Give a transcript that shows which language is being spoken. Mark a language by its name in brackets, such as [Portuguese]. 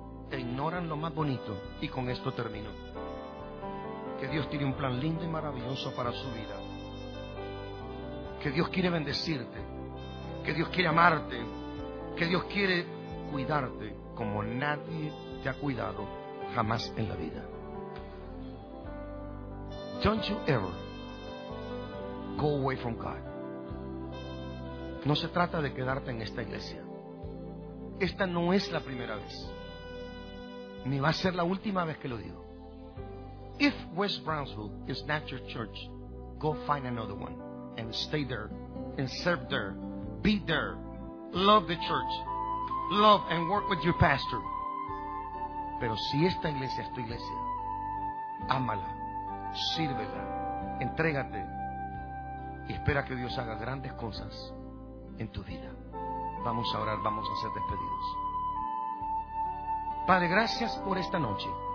[Spanish] E ignoran lo más bonito, y con esto termino, que Dios tiene un plan lindo y maravilloso para su vida, que Dios quiere bendecirte, que Dios quiere amarte, que Dios quiere cuidarte como nadie te ha cuidado jamás en la vida. [English] Don't you ever go away from God. [Spanish] No se trata de quedarte en esta iglesia. Esta no es la primera vez. ni va a ser la última vez que lo digo. [English] If West Brownsville is not your church, go find another one and stay there and serve there. Be there. Love the church. Love and work with your pastor. [Spanish] Pero si esta iglesia es tu iglesia, ámala, sírvela, entrégate y espera que Dios haga grandes cosas en tu vida. Vamos a orar, vamos a ser despedidos. Padre, gracias por esta noche.